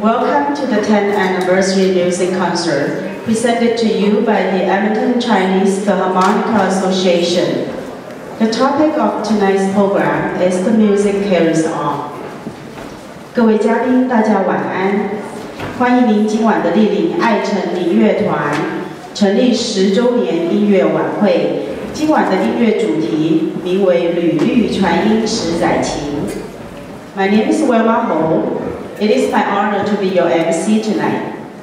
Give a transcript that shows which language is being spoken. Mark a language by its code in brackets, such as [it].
[en] Welcome to the 10th anniversary music concert presented to you by the Edmonton Chinese Philharmonic Association. The topic of tonight's program is The Music Carries On. [zh] 各位嘉宾，大家晚安。欢迎您今晚的莅临爱辰林乐团成立十周年音乐晚会。今晚的音乐主题名为《缕绿传音十载情》。 [en] My name is Wei Ma Hou. It is my honor to be your MC tonight.